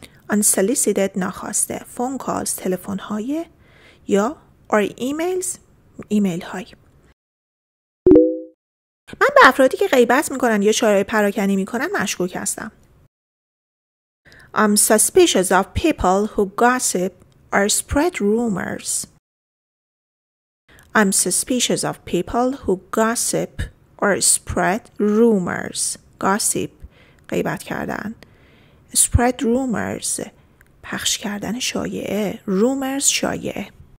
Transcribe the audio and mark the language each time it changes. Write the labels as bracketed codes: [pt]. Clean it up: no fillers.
[fa] Unsolicited ناخواسته. [en] Phone calls [fa] تلفن های یا [en] or emails [fa] ایمیل های. من به افرادی که غیبت میکنن یا شایعه پراکنی میکنن مشکوک هستم. [en] I'm suspicious of people who gossip or spread rumors. I'm suspicious of people who gossip or spread rumors. [fa] Gossip, غیبت کردن. [en] Spread rumors, [fa] پخش کردن شایعه. Rumors, شایعه.